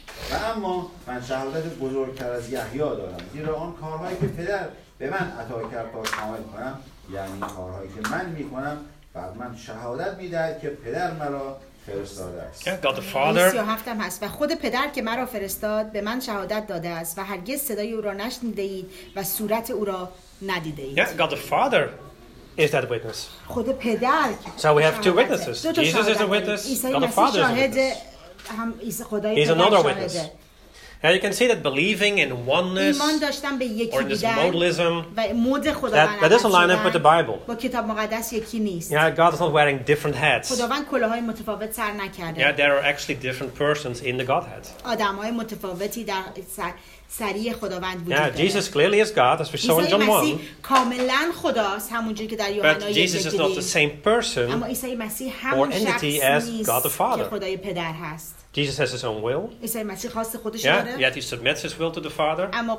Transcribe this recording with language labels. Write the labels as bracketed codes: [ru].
[fa] و اما من شهادت بزرگتر از یحیی دارم، زیرا آن کارهایی که پدر به من عطا کرد را کامل کنم، یعنی کارهایی که من میکنم، بعد من شهادت میدهد که پدر مرا فرستاده است. [en] God the Father. [fa] 37 هست و خود پدر که مرا فرستاد به من شهادت داده است و هرگز صدای او را نشنیده اید و صورت او را ندیده اید. [en] Yeah, God the Father is that witness. [fa] خود پدر. [en] So we have two witnesses. Jesus is a witness. God the Father is a witness. He's another witness. Now you can see that believing in oneness [fa] ایمان داشتن به یکی [en] or this modalism [fa] مود خدا [en] that doesn't line up with the Bible. [fa] با کتاب مقدس یکی نیست. [en] Yeah, God is not wearing different hats. [fa] خداوند کلاهای متفاوت سر نکرده. [en] Yeah, there are actually different persons in the Godhead. [fa] آدمهای متفاوتی در سری خداوند وجود داره. [en] Yeah, Jesus clearly is God, as we saw in John 1. [fa] عیسی مسیح کاملا خداست، همونجوری که در یوحنا [en] But Jesus is not the same person. [fa] اما عیسی مسیح همون شخص نیست که خدای پدر هست. [en] Jesus has his own will. Yeah, yet he submits his will to the Father.